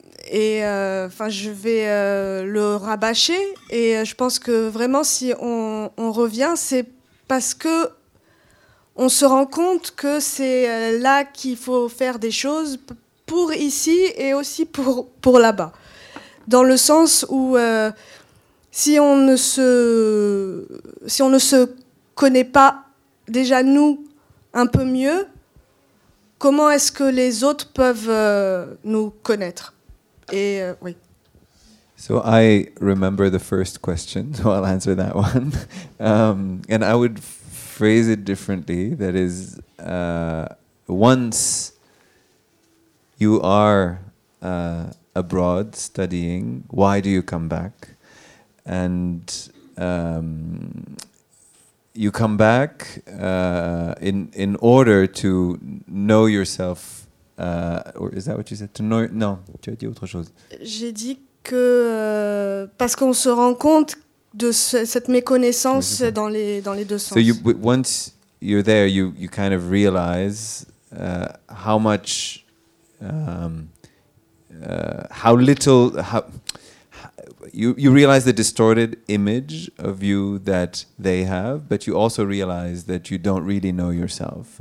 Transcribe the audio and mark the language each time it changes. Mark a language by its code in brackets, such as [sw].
[fr] Je vais le rabâcher, et je pense que vraiment, si on revient, c'est parce que on se rend compte que c'est là qu'il faut faire des choses pour ici et aussi pour là-bas, dans le sens où si on ne se connaît pas déjà nous un peu mieux, comment est-ce que les autres peuvent nous connaître? Et oui. [en] So I remember the first question, so I'll answer that one. And I would phrase it differently. That is, once you are abroad studying, why do you come back? And you come back in order to know yourself, or is that what you said? To know? No, [fr] tu as dit autre chose. J'ai dit que parce qu'on se rend compte de cette méconnaissance dans les deux sens. [en] So you, once you're there, you kind of realize how much, how little, how. You realize the distorted image of you that they have, but you also realize that you don't really know yourself.